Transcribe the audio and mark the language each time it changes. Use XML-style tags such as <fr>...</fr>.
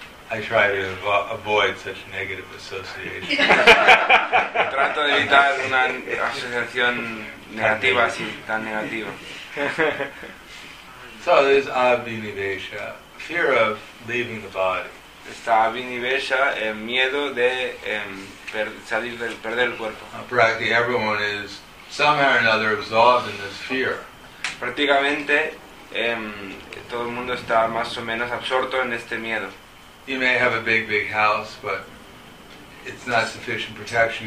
<en>I try to avoid such negative associations.</en> <es>Trato de evitar una asociación negativa así, tan negativa.</es> <en>So there's abhinivesha, fear of leaving the body.</en> <es>Está abhinivesha, miedo de salir del perder el cuerpo.</es> <en>Practically everyone is somehow or another absorbed in this fear.</en> <es>Prácticamente todo el mundo está más o menos absorto en este miedo.</es> <en>You may have a big house, but it's not sufficient protection.</en>